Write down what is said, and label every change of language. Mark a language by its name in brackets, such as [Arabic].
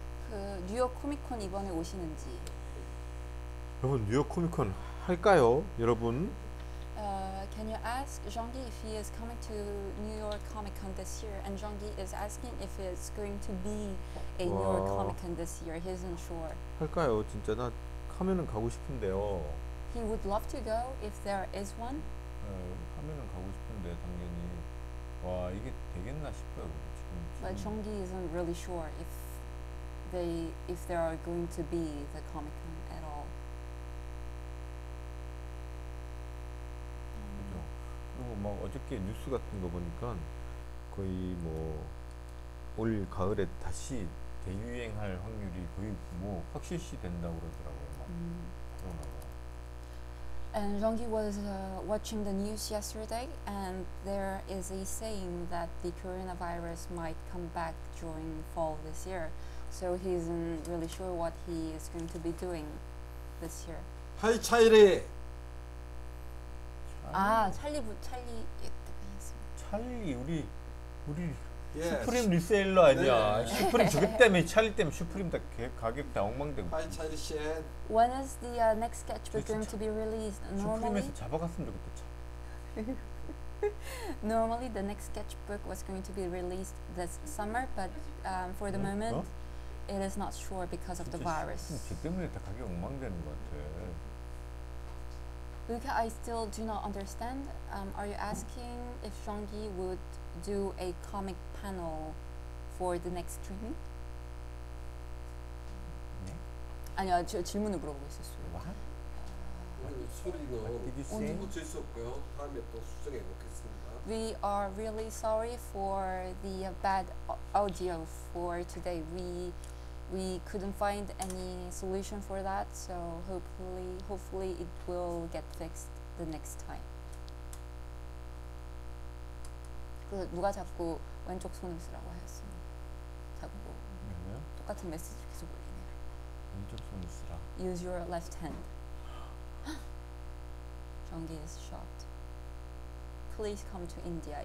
[Korean] 그 뉴욕 코믹콘 이번에 오시는지. 여러분 뉴욕 코믹콘 할까요, 여러분? [English] Can you ask Jeongi if he is coming to New York Comic Con this year? And Jeongi is asking if it's going to be a New York Comic Con this year. He isn't sure. [Korean] 할까요? 진짜 나 하면은 가고 싶은데요. [English] He would love to go if there is one. [Korean] 하면은 가고 싶은데 당연히. 와 이게 되겠나 싶어요 지금. [English] But Jeongi isn't really sure if there are going to be the Comic Con at all. [Korean] 막 어저께 뉴스 같은 거 보니까 거의 뭐 올 가을에 다시 대유행할 확률이 거의 뭐 확실시 된다고 그러더라고요. 코로나가. [English] And Jeongi was watching the news yesterday, and there is a saying that the coronavirus might come back during fall this year. So he isn't really sure what he is going to be doing this year. [Korean] 하이 차이리. 아, 찰리 부 찰리 했습니다. 찰리 우리 예, 슈프림 리세일러 아니야. 네. 슈프림 저기 때문에 찰리 때문에 슈프림 다 가격 다 엉망되고. 하이 찰리 씨. [English] When is the next sketchbook going to be released? Normally. [Korean] 슈프림에서 잡아갔으면 좋겠다. [English] Normally the next sketchbook was going to be released this summer, but for the moment it is not sure because of the virus. [Korean] 저 때문에 다 가격 엉망되는 것 같아. [English] Luca, I still do not understand. Are you asking if Jeongi would do a comic panel for the next streaming? [Korean] 네? 아니요, 저 질문을 물어보고 있었어요. [English] What? [Korean] 아니, 소리 이거 고칠 수 없고요. 다음에 또 수정해 놓겠습니다. [English] We are really sorry for the bad audio for today. We couldn't find any solution for that, so hopefully it will get fixed the next time. [Korean] 그 누가 자꾸 왼쪽 손을 쓰라고 하였어요. 자꾸 왜요? 똑같은 메시지 계속 올리네. 왼쪽 손을 쓰라. [English] Use your left hand. Jeongi is shocked. Please come to India.